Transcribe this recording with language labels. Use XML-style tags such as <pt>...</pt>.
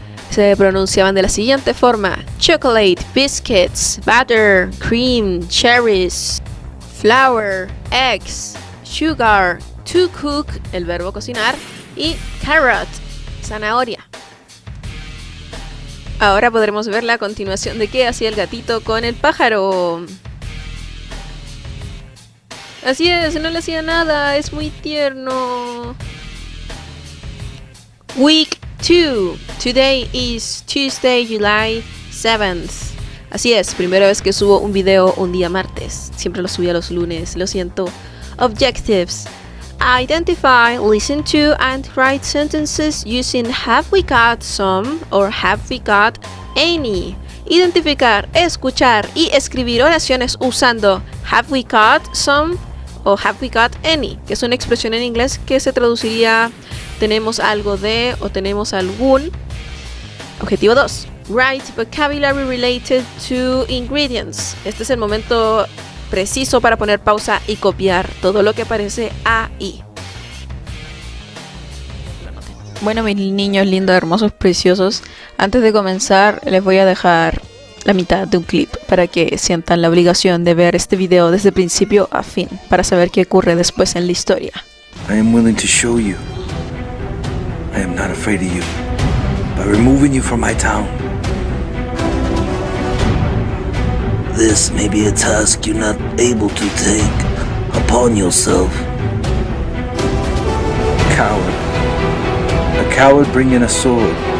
<es>Se pronunciaban de la siguiente forma:</es> <en>chocolate, biscuits, butter, cream, cherries, flour, eggs, sugar, to cook,</en> <es>el verbo cocinar, y carrot, zanahoria. Ahora podremos ver la continuación de qué hacía el gatito con el pájaro. Así es, no le hacía nada, es muy tierno.</es> <en>Week 2. Today is Tuesday, July 7th.</en> <es>Así es, primera vez que subo un video un día martes. Siempre lo subía los lunes, lo siento.</es> <en>Objectives. Identify, listen to, and write sentences using have we got some or have we got any.</en> <es>Identificar, escuchar y escribir oraciones usando</es> <en>have we got some</en> <es>o</es> <en>have we got any,</en> <es>que es una expresión en inglés que se traduciría tenemos algo de o tenemos algún. Objetivo 2.</es> <en>Write vocabulary related to ingredients.</en> <es>Este es el momento preciso para poner pausa y copiar todo lo que aparece ahí. Bueno, mis niños lindos, hermosos, preciosos, antes de comenzar les voy a dejar la mitad de un clip para que sientan la obligación de ver este video desde principio a fin para saber qué ocurre después en la historia.</es> <en>I am willing to show you. I am not afraid of you. By removing you from my town, this may be a task you're not able to take upon yourself. Coward. A coward bringing a sword.</en>